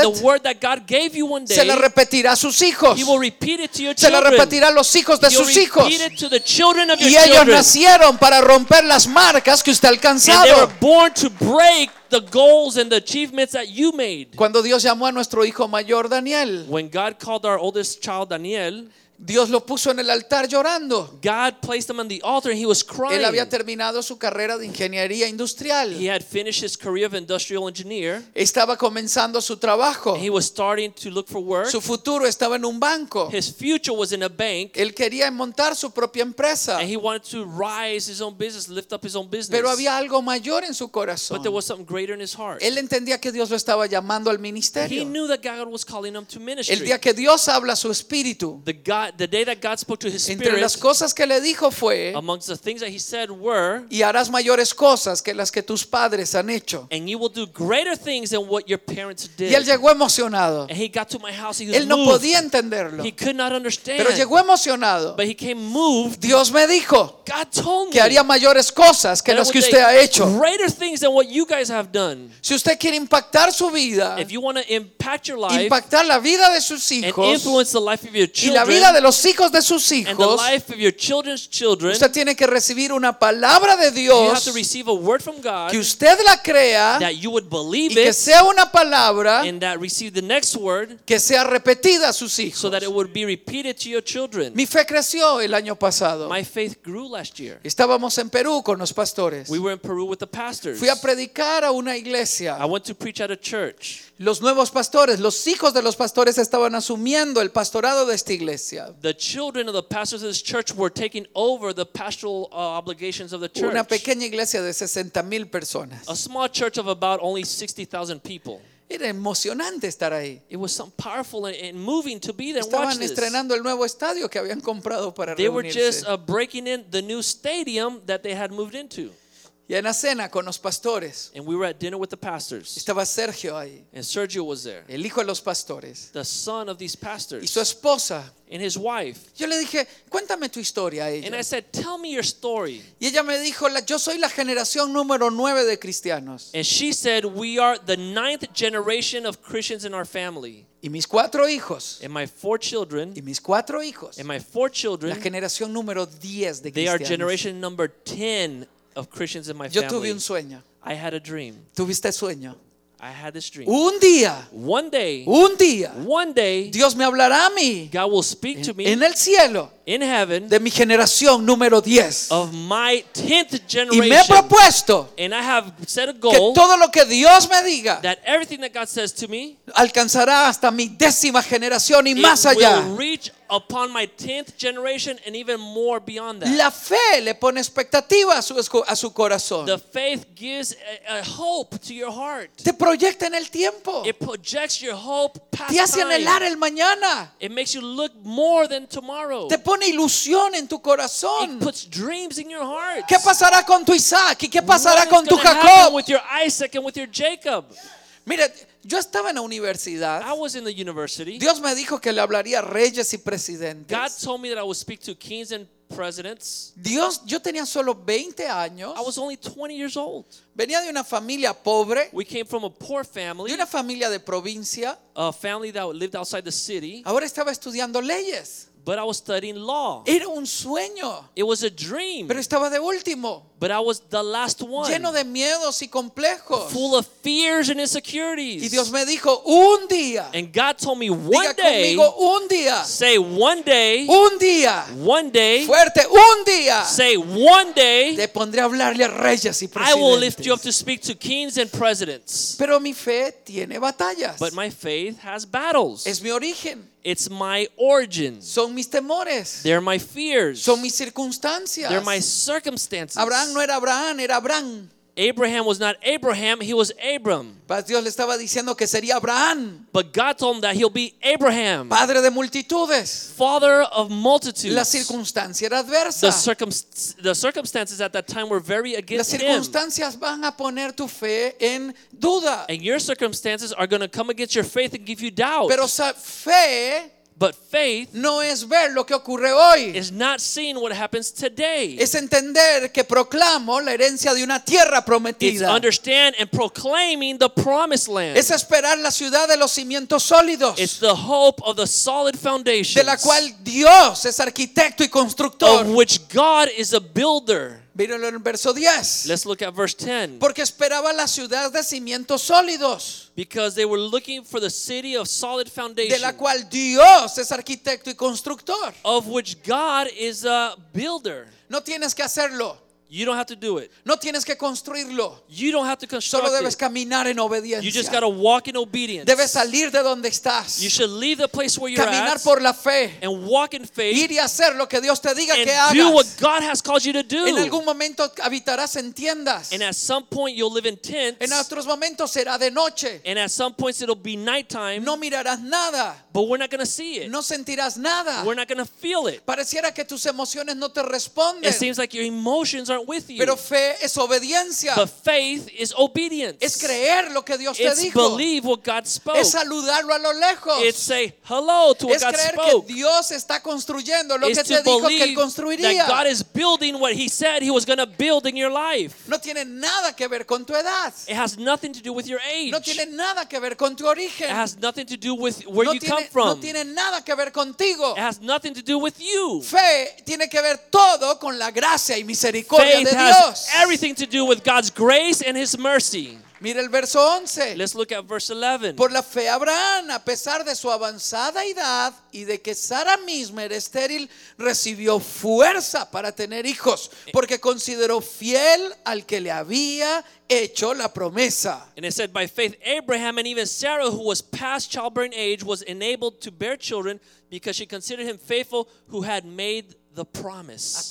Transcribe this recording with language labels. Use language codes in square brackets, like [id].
[en] And the word that God gave you one day. [es] Se la repetirá a sus hijos. [en] He will repeat it to your [es] se [en] children. [es] Se la repetirá a los hijos de [en] He'll [es] sus hijos. [en] He will repeat it to the children of [es] y [en] your children. [es] Y ellos nacieron para romper las marcas que usted ha alcanzado. [en] And they were born to break the goals and the achievements that you made. [es] Cuando Dios llamó a nuestro hijo mayor Daniel, [en] when God called our oldest child Daniel, [es] Dios lo puso en el altar llorando. [en] God placed him on the altar and he was crying. [es] Él había terminado su carrera de ingeniería industrial. [en] He had finished his career of industrial engineer. [es] Estaba comenzando su trabajo. [en] And he was starting to look for work. [es] Su futuro estaba en un banco. [en] His future was in a bank. [es] Él quería montar su propia empresa. [en] And he wanted to rise his own business, lift up his own business. [es] Pero había algo mayor en su corazón. [en] But there was something greater in his heart. [es] Él entendía que Dios lo estaba llamando al ministerio. [en] He knew that God was calling him to ministry. [es] El día que Dios habla a su espíritu, [en] the day that God spoke to his spirit, [es] entre las cosas que le dijo fue, [en] amongst the things that he said were, [es] y harás mayores cosas que las que tus padres han hecho, [en] and you will do greater things than what your parents did. [es] Y él llegó emocionado. [en] And he got to my house, he was [es] él no [en] moved. [es] Podía entenderlo. [en] He could not understand. [es] Pero llegó emocionado. [en] But he came moved. [es] Dios me dijo, [en] God told me, [es] que haría mayores cosas que las que usted ha hecho. [en] Greater things than what you guys have done. [es] Si usted quiere impactar su vida, [en] if you want to impact your life, [es] impactar la vida de sus hijos, [en] and influence the life of your children, [es] y la vida de los hijos de sus hijos, [en] and the life of your children's children, [es] usted tiene que recibir una palabra de Dios, [en] you have to receive a word from God, [es] que usted la crea, [en] that you would believe [es] y que [en] it, [es] sea una palabra, [en] and that receive the next word, [es] que sea repetida a sus hijos, [en] so that it would be repeated to your children. [es] Mi fe creció el año pasado. [en] My faith grew last year. [es] Estábamos en Perú con los pastores. [en] We were in Peru with the pastors. [es] Fui a predicar a una iglesia. [en] I went to preach at a church. [es] Los nuevos pastores, los hijos de los pastores estaban asumiendo el pastorado de esta iglesia. [en] The children of the pastors of this church were taking over the pastoral obligations of the church. [es] Una pequeña iglesia de 60,000 personas. [en] A small church of about only 60,000 people. [es] Era emocionante estar ahí. [en] It was something powerful and moving to be there. [es] Estaban estrenando el nuevo estadio que habían comprado para reunirse. [en] They were just breaking in the new stadium that they had moved into. [es] Y en la cena con los pastores. [en] And we were at dinner with the pastors. [es] Estaba Sergio ahí. [en] And Sergio was there. [es] El hijo de los pastores. [en] The son of these pastors. [es] Y su esposa. [en] And his wife. [es] Yo le dije, cuéntame tu historia a ella. [en] And I said, tell me your story. [es] Y ella me dijo, yo soy la generación número 9 de cristianos. [en] And she said, we are the 9th generation of Christians in our family. [es] Y mis cuatro hijos. [en] And my 4 children. [es] Y mis cuatro hijos. [en] And my 4 children. [es] La generación número 10 de [en] they [es] cristianos. [en] They are generation number 10 of Christians in my family. [es] Yo tuve un sueño. [en] I had a dream. [es] ¿Tuviste sueño? [en] I had this dream. [es] Un día. [en] One day. [es] Un día. [en] One day. [es] Dios me hablará a mí. [en] God will speak to me. [es] En el cielo. [en] In heaven. [es] De mi generación número 10. [en] Of my 10th generation. [es] Y me he propuesto. [en] And I have set a goal. [es] Que todo lo que Dios me diga. [en] That everything that God says to me. [es] Alcanzará hasta mi décima generación y más allá. [en] It will reach upon my 10th generation and even more beyond that. [es] La fe le pone expectativa a su corazón. [en] The faith gives a hope to your heart. [es] Te proyecta en el tiempo. [en] It projects your hope past [es] time. Te hace anhelar el mañana. [en] It makes you look more than tomorrow. [es] Te pone ilusión en tu corazón. [en] It puts dreams in your heart. [es] ¿Qué pasará con tu Isaac? ¿Y qué pasará [en] what [es] con [en] is [es] tu [en] gonna [es] Jacob? [en] Happen with your Isaac and with your Jacob? [es] Mira, yo estaba en la universidad. [en] I was in the university. [es] Dios me dijo que le hablaría a reyes y presidentes. [en] God told me that I would speak to kings and presidents. [es] Dios, yo tenía solo 20 años. [en] I was only 20 years old. [es] Venía de una familia pobre. [en] We came from a poor family. [es] De una familia de provincia. [en] A family that lived outside the city. [es] Ahora estaba estudiando leyes. [en] But I was studying law. [es] Era un sueño. [en] It was a dream. [es] Pero estaba de último. [en] But I was the last one. [es] Lleno de miedos y complejos. [en] Full of fears and insecurities. [es] Y Dios me dijo, un día. [en] And God told me one [es] day. Diga conmigo, un día. [en] Say one day. [es] Un día. [en] One day. [es] Fuerte, un día. [en] Say one day. [es] Te pondré a hablarle a reyes y presidentes. [en] I will lift you up to speak to kings and presidents. [es] Pero mi fe tiene batallas. [en] But my faith has battles. [es] Es mi origen. [en] It's my origin. [es] Son mis temores. [en] They're my fears. [es] Son mis circunstancias. [en] They're my circumstances. [es] Abraham no era Abraham, era Abraham. [en] Abraham was not Abraham, he was Abram. [es] Pero Dios le estaba diciendo que sería Abraham. [en] But God told him that he'll be Abraham. [es] Padre de multitudes. [en] Father of multitudes. [es] La circunstancia era adversa. [en] The circumstances at that time were very against him. [es] Las circunstancias [en] him. [es] Van a poner tu fe en duda. [en] And your circumstances are going to come against your faith and give you doubt. [es] Pero fe. [en] But faith [es] no es ver lo que ocurre hoy. [en] Is not seeing what happens today. [es] Es entender que proclamo la herencia de una tierra prometida. [en] It's understand and proclaiming the promised land. [es] Es esperar la ciudad de los cimientos sólidos. [en] It's the hope of the solid foundations. [es] De la cual Dios es arquitecto y constructor. [en] Of which God is a builder. [es] Mírenlo en el verso 10. [en] Let's look at verse 10. [es] Porque esperaba la ciudad de cimientos sólidos. [en] Because they were looking for the city of solid foundation. [es] De la cual Dios es arquitecto y constructor. [en] Of which God is a builder. [es] No tienes que hacerlo. [en] You don't have to do it. [es] No tienes que construirlo. [en] You don't have to construct it. [es] Solo debes caminar en obediencia. [en] You just got to walk in obedience. [es] Debes salir de donde estás. [en] You should leave the place where you're [es] caminar [en] at. [es] Caminar por la fe. [en] And walk in faith. [es] Ir y hacer lo que Dios te diga que hagas. [en] And do what God has called you to do. [es] En algún momento habitarás en tiendas. [en] And at some point you'll live in tents. [es] En otros momentos será de noche. [en] And at some points it'll be nighttime. [es] No mirarás nada. [en] But we're not going to see it. [es] No sentirás nada. [en] We're not going to feel it. [es] Pareciera que tus emociones no te responden. [en] It seems like your emotions aren't with you. [es] Pero fe es obediencia. [en] But faith is obedience. [es] Es creer lo que Dios [en] it's [es] te dijo. [en] Believe what God spoke. [es] Es saludarlo a lo lejos. [en] It's say hello to [es] es [en] what God [es] creer [en] spoke. [es] Que Dios está construyendo lo [en] it's [es] que te dijo que él construiría. [en] That God is building what he said he was going to build in your life. [es] No tiene nada que ver con tu edad. [en] It has nothing to do with your age. [es] No tiene nada que ver con tu origen. [en] It has nothing to do with where [es] no [en] you [es] tiene, [en] come from. [es] No tiene nada que ver contigo. [en] It has nothing to do with you. [es] Fe tiene que ver todo con la gracia y misericordia. [en] Faith has everything to do with God's grace and his mercy. [es] Mira el verso 11. [en] Let's look at verse 11. [es] Por la fe Abraham, a pesar de su avanzada edad y de que Sara misma era estéril, recibió fuerza para tener hijos, porque consideró fiel al que le había hecho la promesa. [en] And it said, by faith Abraham and even Sarah, who was past childbearing age, was enabled to bear children because she considered him faithful who had made the promise.